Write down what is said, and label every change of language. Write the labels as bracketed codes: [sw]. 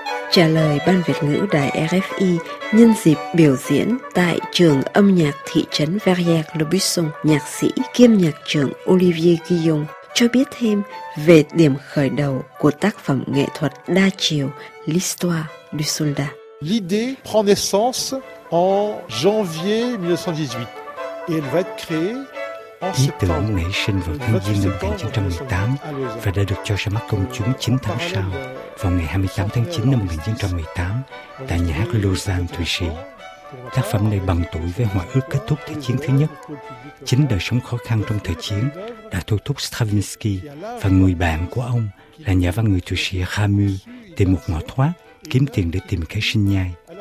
[vi] Trả lời Ban Việt ngữ Đài RFI nhân dịp biểu diễn tại trường âm nhạc thị trấn Verrières-le-Buisson, nhạc sĩ kiêm nhạc trưởng Olivier Guillon cho biết thêm về điểm khởi đầu của tác phẩm nghệ thuật đa chiều L'Histoire du Soldat. [fr] L'idée prend naissance en janvier 1918 et elle va être créée. [vi] Ý tưởng nảy sinh vào tháng Giêng năm 1918 và đã được cho ra mắt công chúng 9 tháng sau, vào ngày 28 tháng 9 năm 1918, tại nhà hát Lausanne, Thụy Sĩ. Tác phẩm này bằng tuổi với hòa ước kết thúc Thế chiến thứ nhất. Chính đời sống khó khăn trong thời chiến đã thôi thúc Stravinsky và người bạn của ông là nhà văn người Thụy Sĩ Camus tìm một ngõ thoát, kiếm tiền để tìm kế sinh nhai.